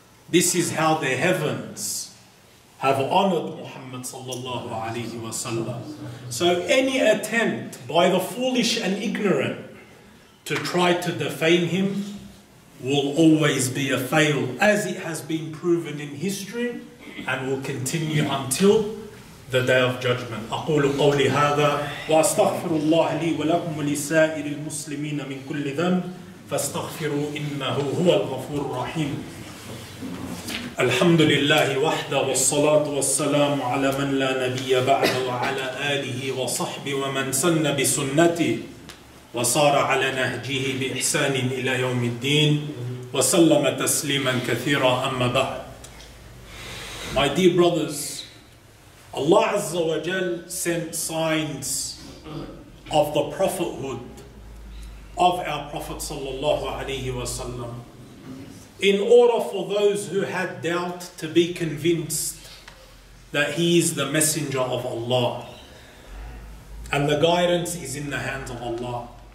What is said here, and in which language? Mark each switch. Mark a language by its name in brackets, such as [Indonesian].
[English] This is how the heavens have honored Muhammad sallallahu alaihi wasallam. So any attempt by the foolish and ignorant to try to defame him will always be a fail, as it has been proven in history and will continue until the day of judgment. [Arabic] أقول قولي هذا وأستغفر الله لي ولكم ولسائر المسلمين من كل ذنب فاستغفروا إنه هو الغفور الرحيم. الحمد لله وحده والصلاة والسلام على من لا نبي بعده وعلى آله وصحبه ومن سن بسنته وصار على نهجه بإحسان إلى يوم الدين وسلم تسليما كثيرا أما بعد. [English] My dear brothers, Allah Azza wa Jal sent signs of the prophethood of our Prophet sallallahu alaihi wasallam in order for those who had doubt to be convinced that he is the messenger of Allah, and the guidance is in the hands of Allah.